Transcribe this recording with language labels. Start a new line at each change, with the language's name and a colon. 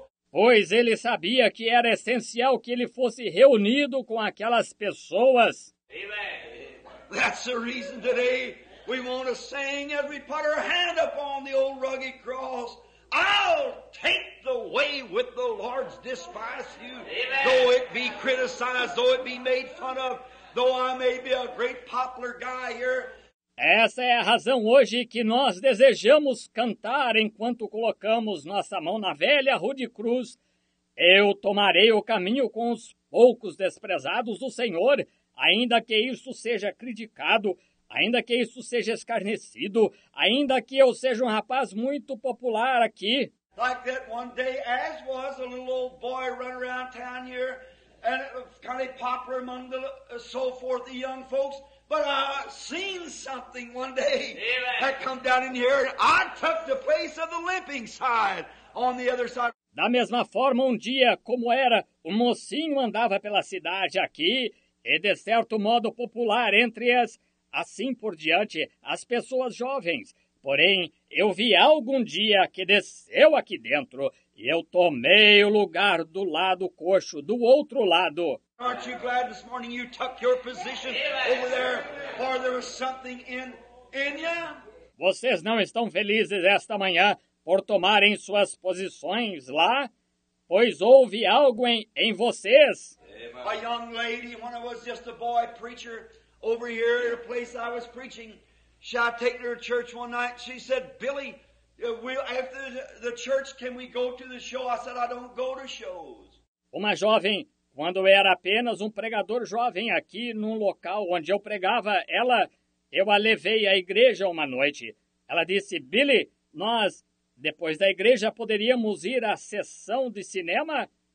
Portuguese: Pois ele sabia que era essencial que ele fosse reunido com aquelas pessoas.
English: That's the reason today we want to sing as we put our hand upon the old rugged cross. I'll take the way with the Lord's despise you. Amen. Though it be criticized, though it be made fun of, though I may be a great popular guy here.
Portuguese: Essa é a razão hoje que nós desejamos cantar enquanto colocamos nossa mão na velha rude cruz. Eu tomarei o caminho com os poucos desprezados do Senhor, ainda que isso seja criticado, ainda que isso seja escarnecido, ainda que eu seja um rapaz muito popular aqui.
English: Like that one day, as was a little old boy running around town here, and it was kind of popular among the so forth, the young folks. But I seen something one day. Amen. That come down in here, and I took the place of the limping side on the other side.
Portuguese: Da mesma forma, um dia, como era, um mocinho andava pela cidade aqui, e de certo modo popular entre as, assim por diante, as pessoas jovens. Porém, eu vi algum dia que desceu aqui dentro e eu tomei o lugar do lado coxo, do outro lado.
English: Aren't you glad this morning you took your position over there, for there was something in you?
Portuguese: Vocês não estão felizes esta manhã por tomarem suas posições lá? Pois houve algo em vocês?
English: A young lady, when I was just a boy preacher over here at a place I was preaching, she had taken her to church one night. She said, Billy, after the church, can we go to the show? I said, I don't go to shows.
Portuguese: Uma jovem, quando eu era apenas um pregador jovem aqui num local onde eu pregava, eu a levei à igreja uma noite. Ela disse, Billy, nós, depois da igreja, poderíamos ir à sessão de cinema?